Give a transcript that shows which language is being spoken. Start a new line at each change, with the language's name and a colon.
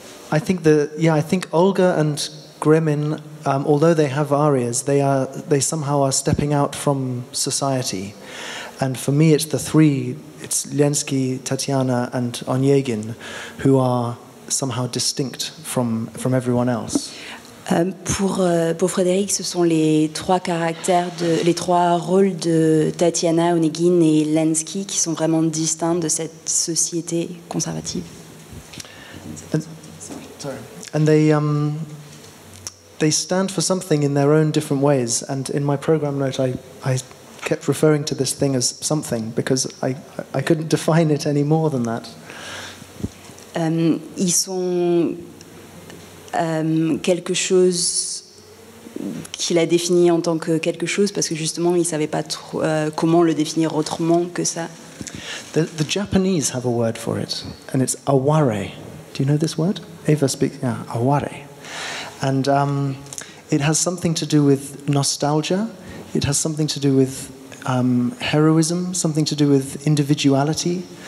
English: I think Olga and Gremin, although they have arias, they somehow are stepping out from society. And for me, it's the three, it's Lenski, Tatiana, and Onegin, who are somehow distinct from everyone else.
French: Pour Frédéric, ce sont les trois rôles de Tatiana, Onegin et Lenski qui sont vraiment distincts de cette société conservative.
English: And they stand for something in their own different ways. And in my program note, I kept referring to this thing as something because I couldn't define it any more than that.
French: Ils sont quelque chose qu'il a défini en tant que quelque chose parce que justement il savait pas trop comment le définir autrement que ça.
English: The Japanese have a word for it and it's aware. Do you know this word? Eva speaks. Yeah, aware. And it has something to do with nostalgia. It has something to do with heroism. Something to do with individuality.